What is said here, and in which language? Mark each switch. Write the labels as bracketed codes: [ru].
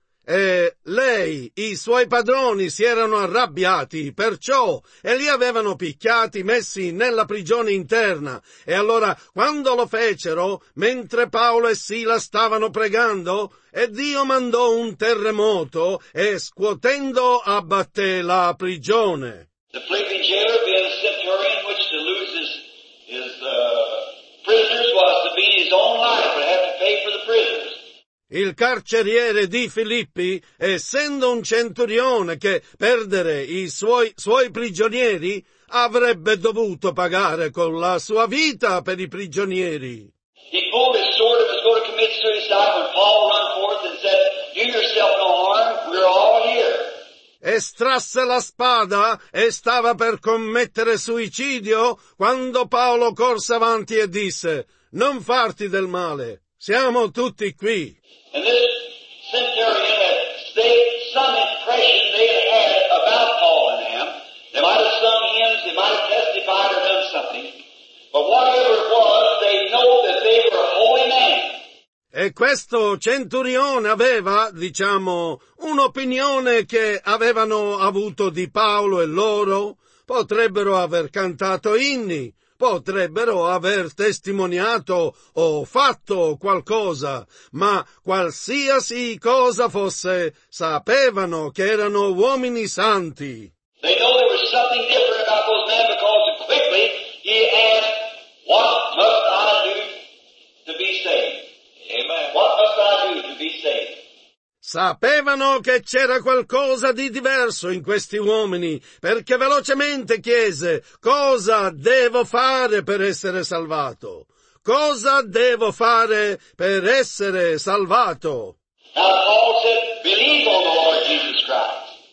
[it] Lei, i suoi padroni si erano arrabbiati, perciò, e li avevano picchiati, messi nella prigione interna. E allora, quando lo fecero, mentre Paolo e Sila stavano pregando, e Dio mandò un terremoto, e scuotendo abbatté la prigione. [en] The prison jailer, being a centurion, which to lose his prisoners was to be his own life, but have to pay for the prisoners. [it] Il carceriere di Filippi, essendo un centurione che perdere i suoi prigionieri, avrebbe dovuto pagare con la sua vita per i prigionieri. [en] He pulled his sword and was going to commit suicide when Paul ran forth and said, "Do yourself no harm, we're all here." [it] Estrasse la spada e stava per commettere suicidio quando Paolo corse avanti e disse, "Non farti del male, siamo tutti qui." [en] And this centurion had stayed some impression they had about Paul and them. They might have sung hymns, they might have testified or done something. But whatever it was, they know that they were holy men. [it] E questo centurione aveva, diciamo, un'opinione che avevano avuto di Paolo e loro. Potrebbero aver cantato inni, potrebbero aver testimoniato o fatto qualcosa, ma qualsiasi cosa fosse, sapevano che erano uomini santi. [en] They know there was something different about those men because quickly he asked, "What must I do to be saved?" What must I do to be saved? [it] Sapevano che c'era qualcosa di diverso in questi uomini, perché velocemente chiese, "Cosa devo fare per essere salvato? Cosa devo fare per essere salvato?" [en] Now Paul said, "Believe on the Lord Jesus Christ.